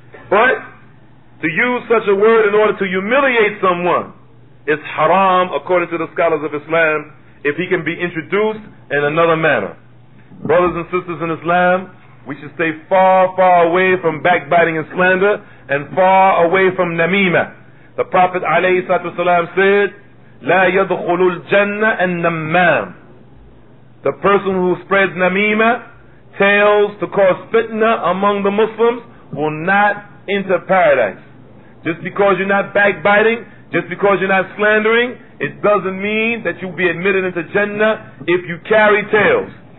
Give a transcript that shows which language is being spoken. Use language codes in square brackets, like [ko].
[en] But to use such a word in order to humiliate someone, it's haram, according to the scholars of Islam, if he can be introduced in another manner. Brothers and sisters in Islam, we should stay far, far away from backbiting and slander, and far away from namima. The Prophet ﷺ said, [ar] لا يدخل الجنة النمام. [en] The person who spreads namima, tales to cause fitna among the Muslims, will not enter paradise. Just because you're not backbiting, just because you're not slandering, it doesn't mean that you'll be admitted into Jannah if you carry tales.